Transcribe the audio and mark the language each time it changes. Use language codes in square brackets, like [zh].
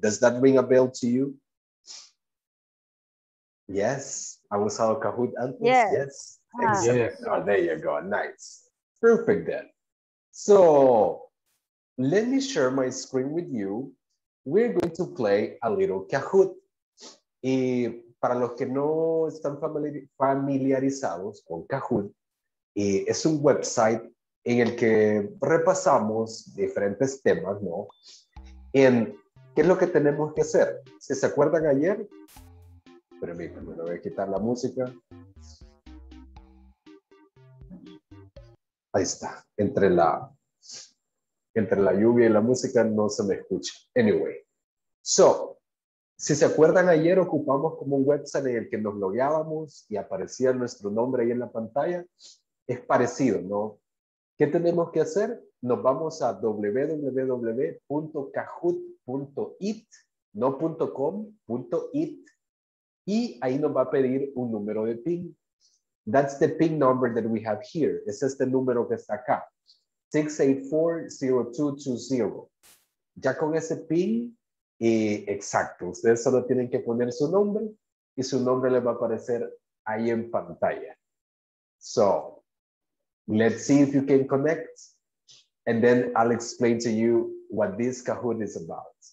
[en] Does that ring a bell to you? Yes, I was on Kahoot Antes. Yes. Yes. Exactly. Yes. Oh, there you go. Nice. Perfect then. So let me share my screen with you. We're going to play a little Kahoot. [es] Y para los que no están familiarizados con Kahoot, es un website en el que repasamos diferentes temas, ¿no? En qué es lo que tenemos que hacer. Si se acuerdan ayer, permítanme, voy a quitar la música. Ahí está, entre la lluvia y la música no se me escucha. Anyway, so, si se acuerdan ayer ocupamos como un website en el que nos logueábamos y aparecía nuestro nombre ahí en la pantalla, es parecido, ¿no? ¿Qué tenemos que hacer? Nos vamos a www.kahoot.it, no .com, .it, y ahí nos va a pedir un número de PIN. [en] That's the PIN number that we have here. [es] Es este número que está acá, 684-0220. Ya con ese PIN, exacto, ustedes solo tienen que poner su nombre y su nombre les va a aparecer ahí en pantalla. [en] So, let's see if you can connect, and then I'll explain to you what this Kahoot is about.